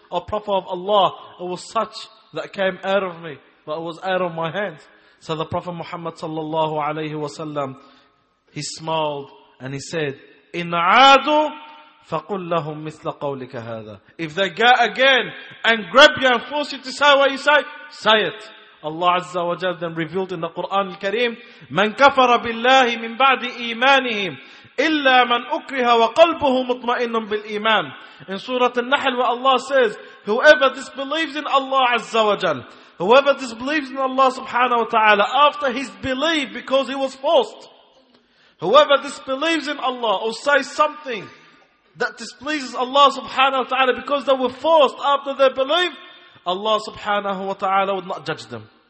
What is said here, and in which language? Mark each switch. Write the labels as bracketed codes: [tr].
[en] O Prophet of Allah, it was such that came out of me, but it was out of my hands. So the Prophet Muhammad sallallahu alayhi wa sallam, he smiled and he said, In [ar] عَادُوا فَقُلْ لَهُمْ مِثْلَ قَوْلِكَ هَذَا. [en] If they go again and grab you and force you to say what you say, say it. Allah Azza wa Jalla then revealed in the Quran al-Kareem, [ar] مَنْ كَفَرَ بِاللَّهِ مِنْ بَعْدِ إِيمَانِهِمْ إِلَّا مَنْ أُكْرِهَ وَقَلْبُهُ مُطْمَئِنٌ بِالْإِيمَانِ. [en] In Surah Al-Nahl, where Allah says, whoever disbelieves in Allah Azza wa Jalla, whoever disbelieves in Allah subhanahu wa ta'ala after his belief because he was forced, whoever disbelieves in Allah or says something that displeases Allah subhanahu wa ta'ala because they were forced after their belief, Allah subhanahu wa ta'ala would not judge them.